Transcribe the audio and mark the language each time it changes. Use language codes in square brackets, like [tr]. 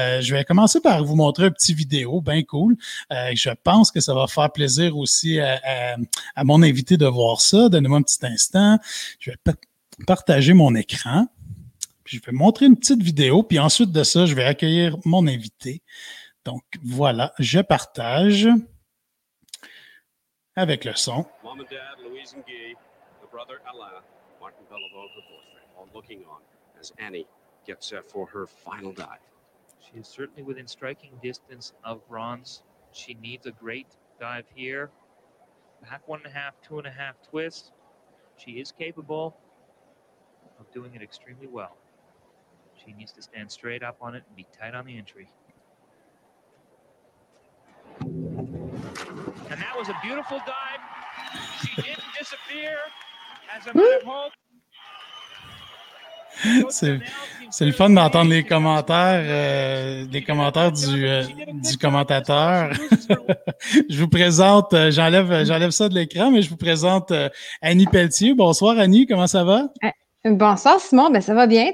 [fr] Je vais commencer par vous montrer un petit vidéo bien cool. Je pense que ça va faire plaisir aussi à mon invité de voir ça. Donnez-moi un petit instant. Je vais partager mon écran. Je vais montrer une petite vidéo, puis ensuite de ça, je vais accueillir mon invité. Donc, voilà, je partage avec le son. [en] Mom and Dad, Louise and Guy, the brother Alain, Martin Bellevaux, her boyfriend, all looking on as Annie gets set for her final dive. She is certainly within striking distance of bronze. She needs a great dive here. Back 1.5, 2.5 twist. She is capable of doing it extremely well. She needs to stand straight up on it and be tight on the entry. And that was a beautiful dive. She didn't disappear as a matter of hope. [fr] C'est le fun d'entendre les commentaires du commentateur. Je vous présente, j'enlève ça de l'écran, mais je vous présente Annie Pelletier. Bonsoir Annie, comment ça va? Bonsoir Simon, ben ça va bien.